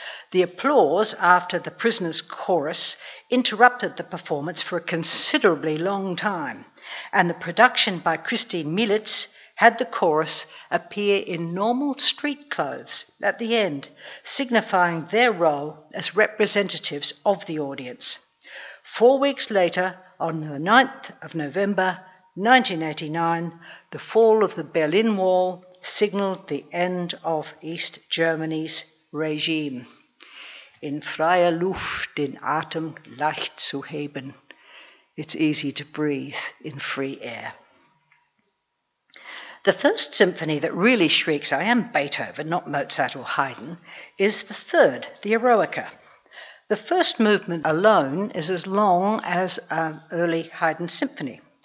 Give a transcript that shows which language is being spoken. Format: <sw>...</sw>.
<en>The applause after the prisoners' chorus interrupted the performance for a considerably long time, and the production by Christi Militz had the chorus appear in normal street clothes at the end, signifying their role as representatives of the audience. 4 weeks later, on the 9th of November, 1989, the fall of the Berlin Wall signalled the end of East Germany's regime.</en> <de>In freier Luft den Atem leicht zu heben.</de> <en>It's easy to breathe in free air. The first symphony that really shrieks, "I am Beethoven, not Mozart or Haydn," is the third, the Eroica. The first movement alone is as long as an early Haydn symphony.</en>